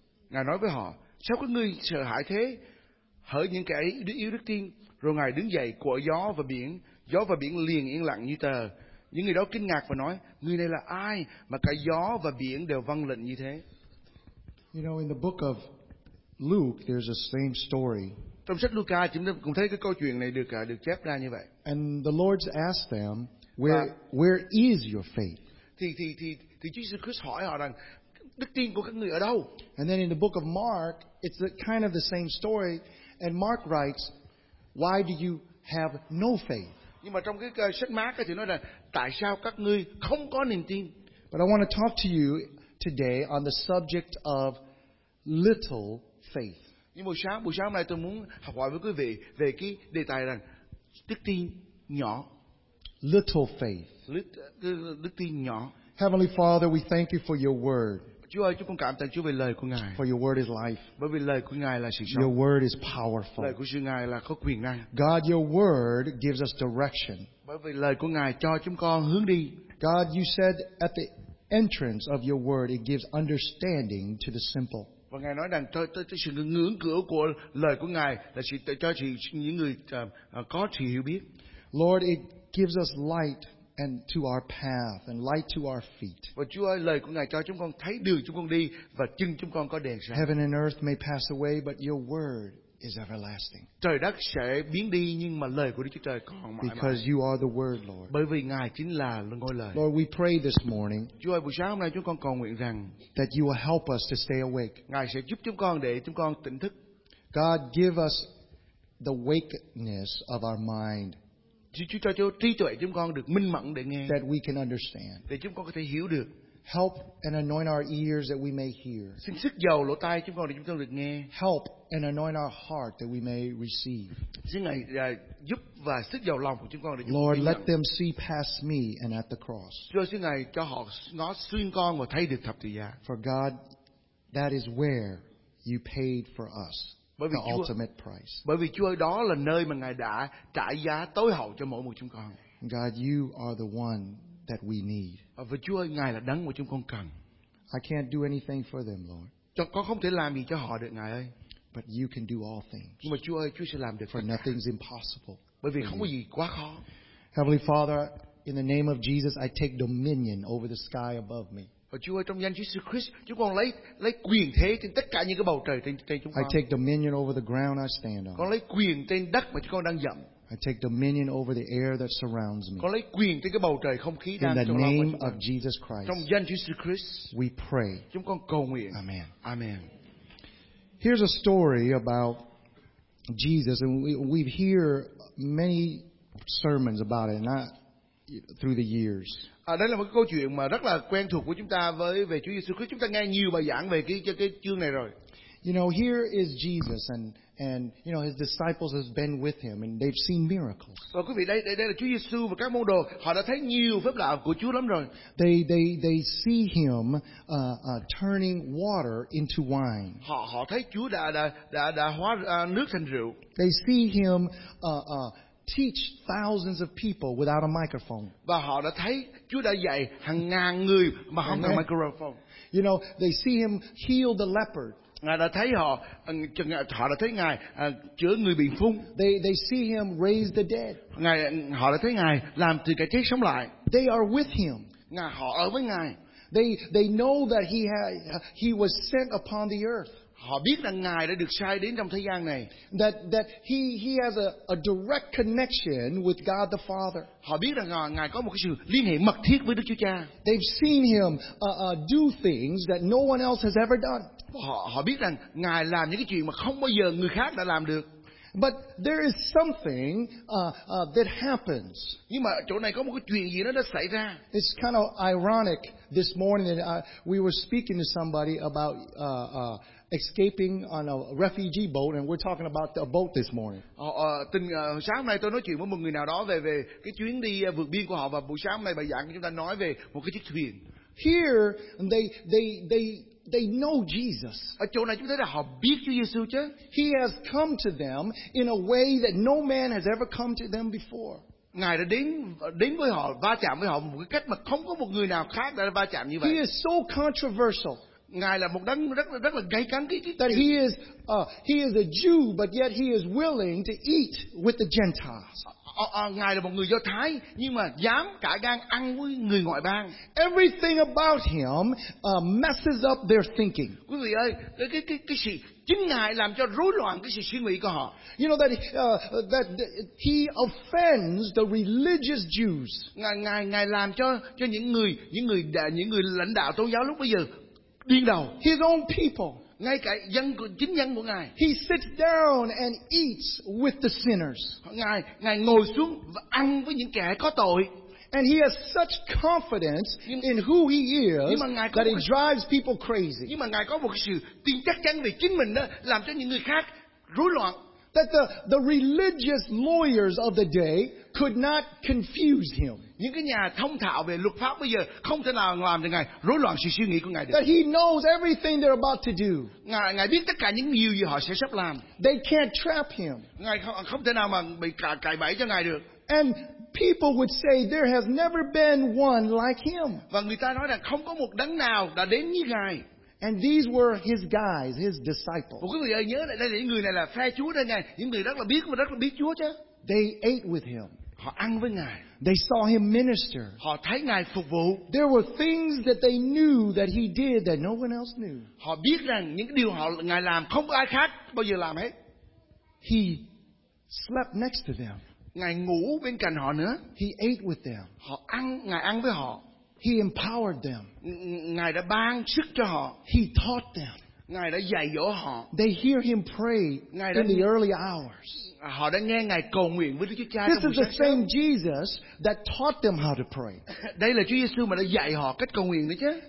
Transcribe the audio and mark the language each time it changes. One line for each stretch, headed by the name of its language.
Vietnamese: Ngài nói với họ, sao các ngươi sợ hãi thế? Hỡi những kẻ yếu đức tin. Rồi Ngài đứng dậy, của gió và biển liền yên lặng như tờ. Những người đó kinh ngạc và nói, người này là ai mà cả gió và biển đều vâng lệnh như thế?
English: You know, in the book of Luke, there's the same story.
Vietnamese: Trong sách Luca, chúng ta cũng thấy cái câu chuyện này được chép ra như vậy.
English: And the Lord's asked them, where is your faith?
Vietnamese: Thì Jesus Christ hỏi họ rằng, đức tin của các người ở đâu?
English: And then in the book of Mark, it's kind of the same story. And Mark writes, why do you have no faith?
Vietnamese: Nhưng mà trong cái sách Mác thì nói là tại sao các ngươi không có niềm tin?
English: But I want to talk to you today on the subject of little faith.
Vietnamese: Nhưng buổi sáng hôm nay tôi muốn học hỏi với quý vị về cái đề tài rằng đức tin nhỏ.
English: Little faith.
Vietnamese: Đức tin nhỏ.
English: Heavenly Father, we thank you for your word.
Vietnamese: Chúa ơi, chúng con cảm tạ Chúa về lời của Ngài.
English: For your word is life.
Vietnamese: Bởi vì lời của Ngài là sự sống.
English: Your word is powerful.
Vietnamese: Lời của Chúa Ngài là có quyền năng.
English: God, your word gives us direction.
Vietnamese: Bởi vì lời của Ngài cho chúng con hướng đi.
English: God, you said at the entrance of your word, it gives understanding to the simple.
Vietnamese: Và Ngài nói rằng tới sự ngưỡng cửa của lời của Ngài là cho những người có sự hiểu biết.
English: Lord, it gives us light. And to our path, and light to our feet.
Vietnamese: Và Chúa ơi, lời của Ngài cho chúng con thấy đường chúng con đi và chân chúng con có đèn sáng.
English: Heaven and earth may pass away, but your word is everlasting.
Vietnamese: Trời đất sẽ biến đi nhưng mà lời của Đức Chúa Trời còn mãi.
English: Because you are the word, Lord.
Vietnamese: Bởi vì Ngài chính là ngôi lời.
English: Lord, we pray this morning.
Vietnamese: Chúa ơi, buổi sáng hôm nay chúng con cầu nguyện rằng
English: that you will help us to stay awake.
Vietnamese: Ngài sẽ giúp chúng con để chúng con tỉnh thức.
English: God, give us the wakeness of our mind.
Vietnamese: Chúa cho trí tuệ chúng con được minh mẫn để nghe.
English: That we can understand.
Vietnamese: Để chúng con có thể hiểu được.
English: Help and anoint our ears that we may hear.
Vietnamese: Xin sức dầu lỗ tai chúng con để chúng con được nghe.
English: Help and anoint our heart that we may receive.
Vietnamese: Xin Ngài giúp và sức dầu lòng của chúng con để chúng
English: con Lord, let them see past me and at the cross.
Vietnamese: Chúa xin Ngài cho họ ngó xuyên con và thấy được thập tự giá.
English: For God, that is where you paid for us.
Vietnamese: Bởi vì
English: the ultimate price.
Vietnamese: Bởi vì Chúa đó là nơi mà Ngài đã trả giá tối hậu cho mỗi một chúng con.
English: God, you are the one that we need.
Vietnamese: Và Chúa ơi, Ngài là đấng mà chúng con cần.
English: I can't do anything for them, Lord.
Vietnamese: Con không thể làm gì cho họ được, Ngài ơi.
English: But you can do all things.
Vietnamese: Nhưng mà Chúa ơi, Chúa sẽ làm được.
English: For nothing's impossible.
Vietnamese: Bởi vì không có gì quá khó.
English: Heavenly Father, in the name of Jesus, I take dominion over the sky above me.
Vietnamese: Và Chúa ơi, trong danh Jesus Christ, chúng con lấy quyền thế trên tất cả những cái bầu trời trên chúng con.
English: I take dominion over the ground I stand on.
Vietnamese: Con lấy quyền trên đất mà chúng con đang dậm.
English: I take dominion over the air that surrounds me.
Vietnamese: Con lấy quyền trên cái bầu trời không khí đang trong lòng chúng con.
English: In the name of Jesus Christ.
Vietnamese: Trong danh Jesus Christ.
English: We pray.
Vietnamese: Chúng con cầu nguyện.
English: Amen.
Vietnamese: Amen.
English: Here's a story about Jesus, and we hear many sermons about it, and through the years.
Vietnamese: Đây là một cái câu chuyện mà rất là quen thuộc của chúng ta với về Chúa Giêsu Christ. Chúng ta nghe nhiều bài giảng về cái chương này rồi.
English: You know, here is Jesus and you know his disciples have been with him and they've seen miracles.
Vietnamese: Và quý vị đây là Chúa Giêsu và các môn đồ, họ đã thấy nhiều phép lạ của Chúa lắm rồi.
English: They see him turning water into wine.
Vietnamese: Họ thấy Chúa đã hóa nước thành rượu.
English: They see him teach thousands of people without a microphone.
Vietnamese: Và họ đã thấy Chúa đã dạy hàng ngàn người mà không có microphone.
English: You know, they see him heal the leper
Vietnamese: Ngài đã thấy họ, họ đã thấy Ngài chữa người bị phun.
English: They see him raise the dead.
Vietnamese: Ngài, họ đã thấy Ngài làm từ cái chết sống lại.
English: They are with him.
Vietnamese: Ngài, họ ở với Ngài.
English: They know that he was sent upon the earth.
Vietnamese: Họ biết rằng Ngài đã được sai đến trong thế gian này.
English: That he has a direct connection with God the Father.
Vietnamese: Họ biết rằng Ngài có một cái sự liên hệ mật thiết với Đức Chúa Cha.
English: They've seen him do things that no one else has ever done.
Vietnamese: Họ biết rằng Ngài làm những cái chuyện mà không bao giờ người khác đã làm được.
English: But there is something that happens.
Vietnamese: Nhưng mà chỗ này có một cái chuyện gì nó đã xảy ra.
English: It's kind of ironic this morning that we were speaking to somebody about escaping on a refugee boat, and we're talking about a boat this morning.
Vietnamese: Sáng nay tôi nói chuyện với một người nào đó về cái chuyến đi vượt biên của họ, và buổi sáng nay bài giảng chúng ta nói về một cái chiếc thuyền.
English: Here they know Jesus.
Vietnamese: Ở chỗ này chúng ta thấy họ biết Chúa Giêsu chứ?
English: He has come to them in a way that no man has ever come to them before.
Vietnamese: Ngài đã đến với họ, va chạm với họ một cái cách mà không có một người nào khác đã va chạm như vậy.
English: He is so controversial.
Vietnamese: Ngài là một đấng rất là gay cấn.
English: That he is a Jew, but yet he is willing to eat with the Gentiles.
Vietnamese: Ngài là một người Do Thái nhưng mà dám cả gan ăn với người ngoại bang.
English: Everything about him messes up their thinking.
Vietnamese: Quý vị ơi, cái sự chính Ngài làm cho rối loạn cái sự suy nghĩ của họ.
English: You know that he offends the religious Jews.
Vietnamese: Ngài làm cho những người lãnh đạo tôn giáo lúc bây giờ.
English: His own people.
Vietnamese: Ngay cả dân, chính dân của Ngài.
English: He sits down and eats with the sinners.
Vietnamese: Ngài ngồi xuống và ăn với những kẻ có tội.
English: And he has such confidence in who he is that he drives people crazy.
Vietnamese: Nhưng mà Ngài có một sự tin chắc chắn về chính mình đó, làm cho những người khác rối loạn.
English: That the religious lawyers of the day could not confuse him.
Vietnamese: Những cái nhà thông thạo về luật pháp bây giờ không thể nào làm được Ngài rối loạn sự suy nghĩ của Ngài được.
English: That he knows everything they're about to do.
Vietnamese: Ngài biết tất cả những điều gì họ sẽ sắp làm.
English: They can't trap him.
Vietnamese: Ngài không thể nào mà bị cài bẫy cho Ngài được.
English: And people would say there has never been one like him.
Vietnamese: Và người ta nói rằng không có một đấng nào đã đến như Ngài.
English: And these were his guys, his disciples.
Vietnamese: Quý vị ơi, nhớ lại đây, những người này là phe Chúa đây Ngài, những người rất là biết Chúa chứ.
English: They ate with him.
Vietnamese: Họ ăn với Ngài.
English: They saw him minister.
Vietnamese: Họ thấy Ngài phục vụ.
English: There were things that they knew that he did that no one else knew.
Vietnamese: Họ biết rằng những điều Ngài làm không có ai khác bao giờ làm hết.
English: He slept next to them.
Vietnamese: Ngài ngủ bên cạnh họ nữa.
English: He ate with them.
Vietnamese: Ngài ăn với họ.
English: He empowered them.
Vietnamese: Ngài đã ban sức cho họ.
English: He taught them.
Vietnamese: Ngài đã dạy dỗ họ.
English: They hear him pray in the early hours.
Vietnamese: Họ đã nghe Ngài cầu nguyện với Đức Chúa Cha.
English: This is the same Jesus that taught them how to pray.
Vietnamese: Đây là Chúa Giêsu mà đã dạy họ cách cầu nguyện đấy chứ.